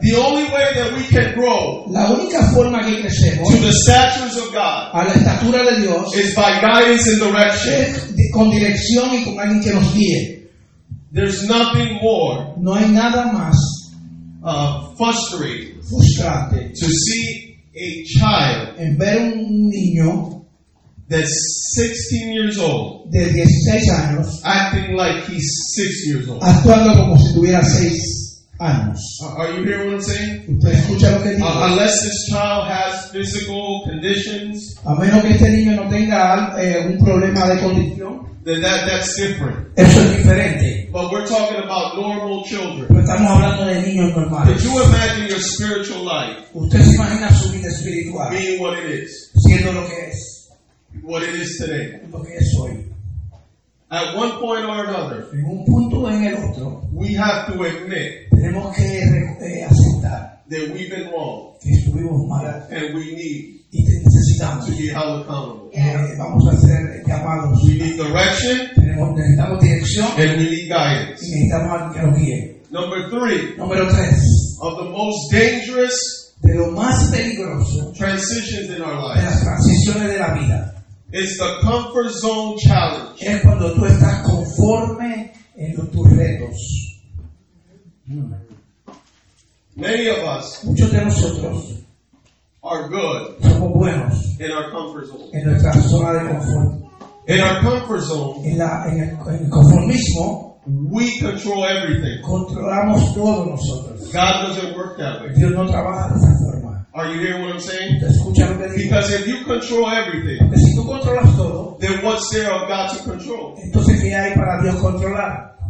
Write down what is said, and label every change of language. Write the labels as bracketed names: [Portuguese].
[English] The only way that we can grow, [Spanish] la única forma que crecemos, [English] to the statutes of God, [Spanish] a la estatura de Dios, [English] is by guidance and direction. [Spanish] Con dirección y con alguien que nos guíe. [English] There's nothing more, [Spanish] no hay nada más, frustrante, [English] to see a child, [Spanish] en ver un niño, [English] that's 16 years old, [Spanish] de 16 años, [English] acting like he's 6 years old, [Spanish] actuando como si tuviera 6 años. [English] Are you hearing what I'm saying? [Spanish] ¿Usted escucha lo que digo? [English] Unless this child has physical conditions, [Spanish] a menos que este niño no tenga un problema de condición, [English] that's different. [Spanish] Eso es diferente. [English] But we're talking about normal children. [Spanish] Pero estamos hablando de niños normales. [English] Could you imagine your spiritual life? [Spanish] ¿Usted se imagina su vida espiritual? [English] Being what it is. [Spanish] Siendo lo que es. [English] What it is today. [Spanish] Lo que es hoy. [English] At one point or another, [Spanish] en un punto en el otro, [English] we have to admit, [Spanish] tenemos que aceptar, [English] that we've been wrong, [Spanish] que estuvimos mal, [English] and we need, [Spanish] y te necesitamos, [English] to be held accountable. [Spanish] Vamos a ser llamados. [English] We need direction, [Spanish] necesitamos dirección, [English] and we need guidance. [Spanish] Y necesitamos alguien que nos guíe. Número tres, [English] of the most dangerous, [Spanish] de lo más peligroso, [English] transitions in our lives, [Spanish] de las transiciones de la vida. [English] It's the comfort zone challenge. [Spanish] Es cuando tú estás conforme en tus retos. [English] Many of us, [Spanish] muchos de nosotros, [English] are good. [Spanish] Somos buenos [English] in our comfort zone. [Spanish] En nuestra zona de confort. [English] In our comfort zone, [Spanish] en el conformismo, [English] we control everything. [Spanish] Controlamos todo nosotros. [English] God doesn't work that way. [Spanish] Dios no trabaja de esa forma. [English] Are you hearing what I'm saying? [Spanish] Escucha lo que digo. [English] Because if you control everything, [Spanish] si tú controlas todo, [English] then what's there of God to control? [Spanish] Entonces, ¿qué hay para Dios controlar?